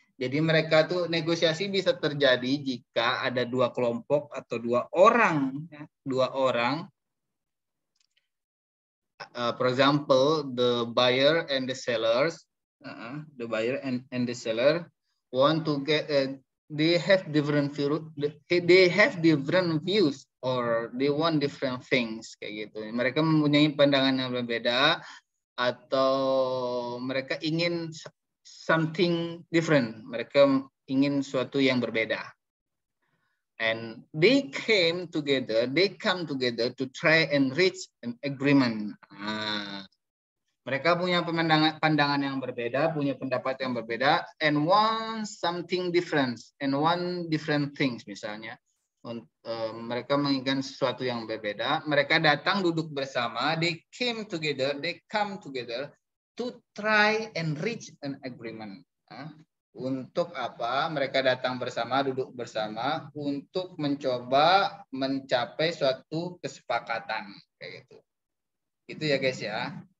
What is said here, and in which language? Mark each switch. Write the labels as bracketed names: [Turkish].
[Indonesian] Jadi mereka tuh negosiasi bisa terjadi jika ada dua kelompok atau dua orang, ya. Dua orang. [English] For example, the buyer and the sellers, the buyer and the seller want to get, they have different views or they want different things [Indonesian] kayak gitu. Mereka mempunyai pandangan yang berbeda. Atau mereka ingin [English] something different, [Indonesian] mereka ingin suatu yang berbeda. [English] And they come together to try and reach an agreement. [Indonesian] Mereka punya pandangan yang berbeda, punya pendapat yang berbeda, [English] and want something different, and want different things [Indonesian] misalnya. Mereka menginginkan sesuatu yang berbeda. Mereka datang duduk bersama. [English] They come together to try and reach an agreement. [Indonesian] Untuk apa? Mereka datang bersama, duduk bersama untuk mencoba mencapai suatu kesepakatan. Kayak gitu. Itu ya guys ya.